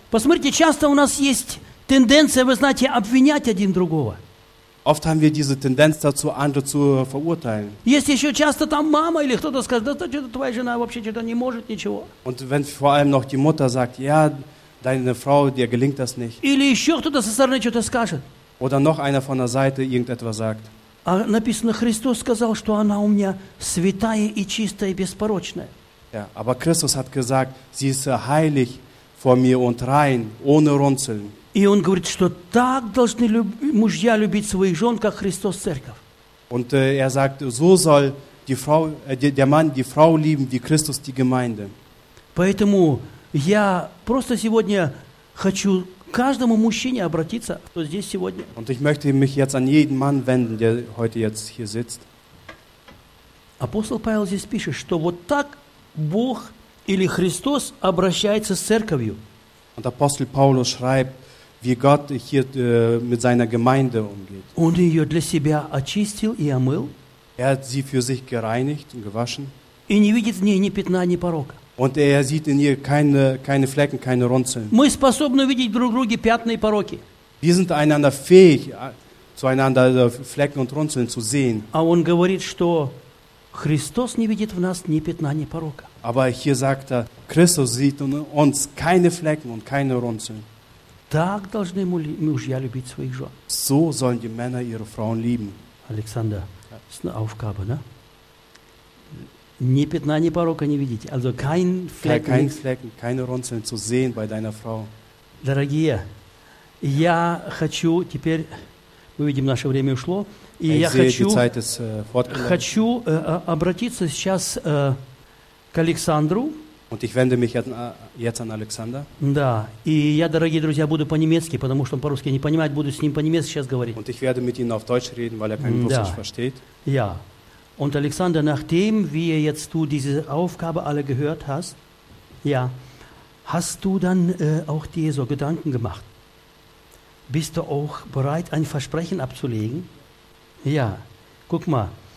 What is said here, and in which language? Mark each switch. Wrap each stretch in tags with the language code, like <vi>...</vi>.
<ru>Посмотрите, часто у нас есть тенденция, вы знаете, обвинять один другого.</ru> <de>Oft haben wir diese Tendenz dazu, andere zu verurteilen.</de> <ru>Есть еще часто там мама или кто-то скажет, да что-то твоя жена вообще что-то не может ничего.</ru> <de>Und wenn vor allem noch die Mutter sagt, ja, deine Frau, dir gelingt das nicht.</de> <ru>Или еще кто-то со стороны что-то скажет.</ru> <de>Oder noch einer von der Seite irgendetwas sagt.</de> <ru>А написано, Христос сказал, что она у меня святая и чистая и беспорочная.</ru> <de>Ja, aber Christus hat gesagt, sie ist heilig vor mir und rein, ohne Runzeln.</de> <ru>И он говорит, что так должны мужья любить своих жен, как Христос церковь.</ru> <de>Und sagt, so soll die Frau, der Mann die Frau lieben, wie Christus die Gemeinde.</de> <ru>Поэтому я просто сегодня хочу каждому мужчине обратиться, кто здесь сегодня.</ru> <de>Und ich möchte mich jetzt an jeden Mann wenden, der heute jetzt hier sitzt.</de> <ru>Апостол Павел здесь пишет, что вот так Бог или Христос обращается с церковью.</ru> <de>Und Apostel Paulus schreibt, wie Gott hier mit seiner Gemeinde umgeht. Und ihr</de> <ru>для себя очистил и омыл.</ru> <de>Er hat sie für sich gereinigt und gewaschen.</de> <ru>И не видит в ней ни пятна, ни порока.</ru> <de>Und er sieht in ihr keine Flecken, keine Runzeln.</de> <ru>Мы способны видеть друг друге пятна и пороки.</ru> <de>Wir sind einander fähig, zueinander Flecken und Runzeln zu sehen.</de> <ru>А он говорит, что Христос не видит в нас ни пятна, ни порока.</ru> <de>Aber hier sagt er, Christus sieht in uns keine Flecken und keine Runzeln.</de> <ru>Так должны мужья любить своих жен.</ru> <de>So sollen die Männer ihre Frauen lieben. Александр, ist eine Aufgabe, ne?</de> <ru>Ни пятна, ни порока не видеть.</ru> <de>Also kein Flecken. Kein Flecken, keine Runzeln zu sehen bei deiner Frau.</de> <ru>Дорогие, я хочу теперь, мы видим, наше время ушло, и я хочу обратиться сейчас к Александру.</ru> <de>Und ich wende mich jetzt an Alexander.</de> <ru>Да, и я, дорогие друзья, буду по-немецки, потому что он по-русски не понимает, буду с ним по-немецки сейчас говорить.</ru> <de>Und ich werde mit ihm auf Deutsch reden, weil kein Russisch versteht. Ja. Und Alexander, nachdem wie jetzt du diese Aufgabe alle gehört hast, ja, hast du dann auch dir so Gedanken gemacht? Bist du auch bereit, ein Versprechen abzulegen? Ja. Guck mal.</de>